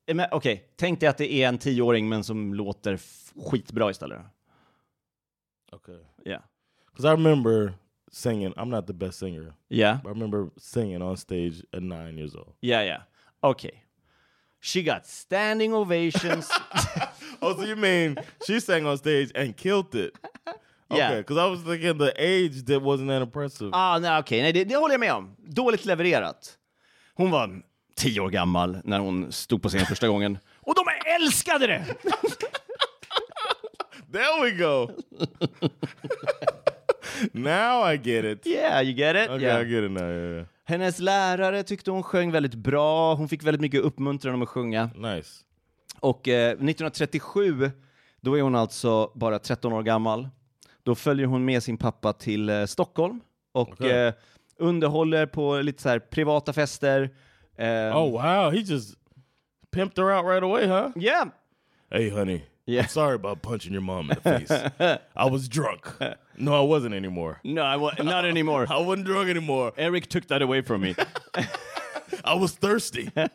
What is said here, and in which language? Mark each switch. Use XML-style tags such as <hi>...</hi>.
<sv>Okej, tänk dig att det är en 10-åring men som låter skitbra istället.</sv> <en>Okay. Yeah. Because I remember singing. I'm not the best singer. Yeah. But I remember singing on stage at 9 years old. Yeah, yeah. Okay. She got standing ovations. Oh, so you mean she sang on stage and killed it? Yeah. Okay, because I was thinking the age that wasn't that impressive. Ah, no, okay.</en> <sv>Nej, det håller jag med om. Dåligt levererat. Hon var 10 år gammal när hon stod på scen första gången. Och de älskade det!</sv> <en>There we go. Now I get it. Yeah, you get it. Okay, yeah. I get it now, yeah.</en> <sv>Hennes lärare tyckte hon sjöng väldigt bra. Hon fick väldigt mycket uppmuntran om att sjunga. Nice. Och 1937, då är hon alltså bara 13 år gammal. Då följer hon med sin pappa till Stockholm. Och okay. Underhåller på lite så här privata fester.</sv> <en>Oh wow, he just pimped her out right away, huh? Yeah. Hey honey, yeah. I'm sorry about punching your mom in the face. I was drunk. No, I wasn't anymore. No, I was not anymore. I wasn't drunk anymore. Eric took that away from me. I was thirsty.</en>